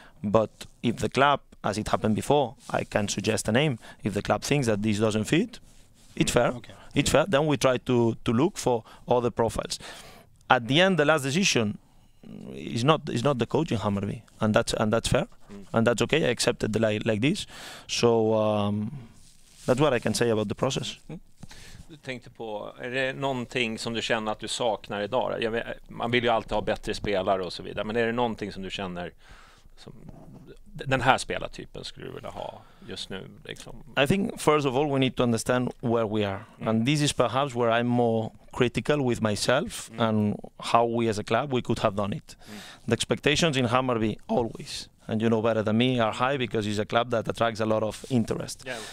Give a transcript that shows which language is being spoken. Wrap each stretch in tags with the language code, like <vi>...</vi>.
<en>But if the club, as it happened before, I can suggest a name, if the club thinks that this doesn't fit, it's fair. Okay. It's fair. Then we try to look for other profiles. At the end, the last decision is not the coach in Hammarby, and that's fair, and that's okay. I accepted the like this. So that's what I can say about the process.</en> <sv>Du tänkte på, är det någonting som du känner att du saknar idag? Man vill ju alltid ha bättre spelare och så vidare, men är det någonting som du känner som den här spelartypen skulle du vilja ha just nu? Liksom?</sv> <en>I think first of all we need to understand where we are, and this is perhaps where I'm more critical with myself and how we as a club we could have done it. The expectations in Hammarby always, and you know better than me, are high because it's a club that attracts a lot of interest. Yeah.</en>